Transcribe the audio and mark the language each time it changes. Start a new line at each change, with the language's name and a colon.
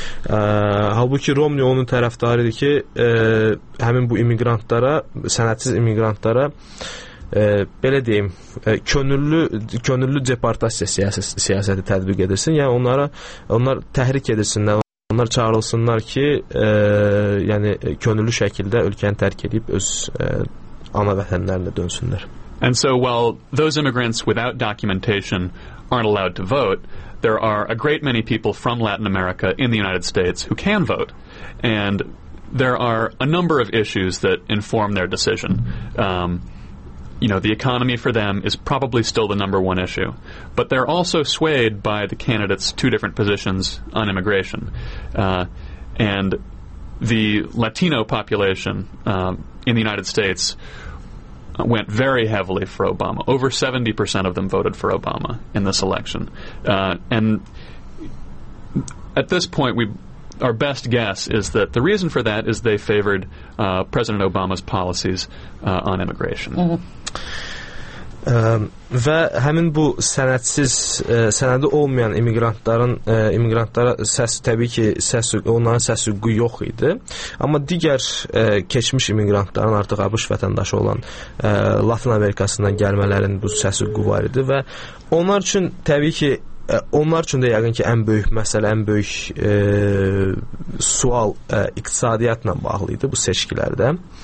Azerbaijani: Halbuki Romney onun tərəfdarı idi ki, həmin bu imigrantlara, sənədsiz imigrantlara könüllü deportasiya siyasəti tətbiq edirsin. Yəni onlar təhrik edilsinlər, onlar çağırılsınlar ki, könüllü şəkildə ölkəni tərk edib öz ana vətənlərinə dönsünlər.
English: And so while those immigrants without documentation aren't allowed to vote, there are a great many people from Latin America in the United States who can vote. And there are a number of issues that inform their decision. The economy for them is probably still the number one issue. But they're also swayed by the candidates' two different positions on immigration. And the Latino population in the United States went very heavily for Obama. Over 70% of them voted for Obama in this election. And at this point, our best guess is that the reason for that is they favored President Obama's policies on immigration. Mm-hmm.
Azerbaijani: Və həmin bu sənədi olmayan imigrantlara onların səs-hüququ yox idi. Amma digər keçmiş imigrantların, artıq ABŞ vətəndaşı olan Latin Amerikasından gəlmələrin bu səs-hüququ var idi və onlar üçün təbii ki, onlar üçün də yəqin ki, ən böyük məsələ, ən böyük sual iqtisadiyyatla bağlı idi bu seçkilərdə.